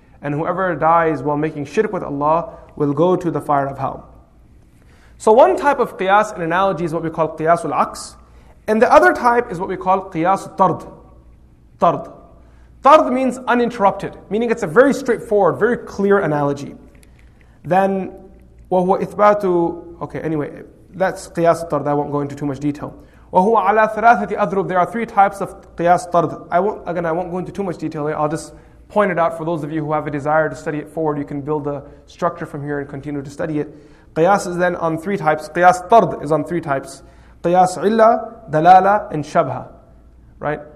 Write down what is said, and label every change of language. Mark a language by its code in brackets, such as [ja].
[en] And whoever dies while making shirk with Allah will go to the fire of hell. So one type of qiyas and analogy is what we call qiyas al-aqs. And the other type is what we call qiyas al-tard. Tard. Tard means uninterrupted, meaning it's a very straightforward, very clear analogy. [ar] Then, وَهُوَ إِثْبَاتُ. [en] Okay, anyway, that's qiyas al-tard. I won't go into too much detail. [ar] وَهُوَ عَلَى ثَلَاثَةِ أَذْرُبٍ. [en] There are three types of qiyas al-tard. I won't go into too much detail here. I'll just pointed out, for those of you who have a desire to study it forward, you can build a structure from here and continue to study it. Qiyas is then on three types. Qiyas tard is on three types. Qiyas illa, dalala, and shabha. Right?